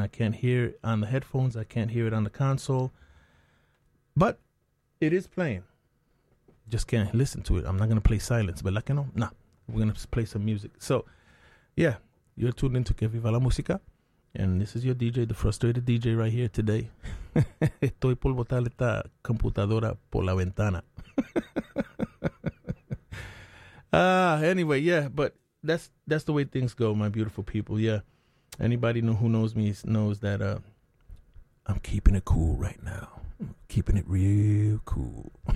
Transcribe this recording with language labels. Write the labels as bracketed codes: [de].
[en] I can't hear it on the headphones. I can't hear it on the console. But it is playing. Just can't listen to it. I'm not going to play silence, but like, you know, nah. We're going to play some music. So, yeah, you're tuned into Que Viva La Musica. And this is your DJ, the frustrated DJ right here today. [es] Estoy por botar esta computadora por la ventana. [en] But that's the way things go, my beautiful people. Yeah, anybody who knows me knows that I'm keeping it cool right now. Keeping it real cool.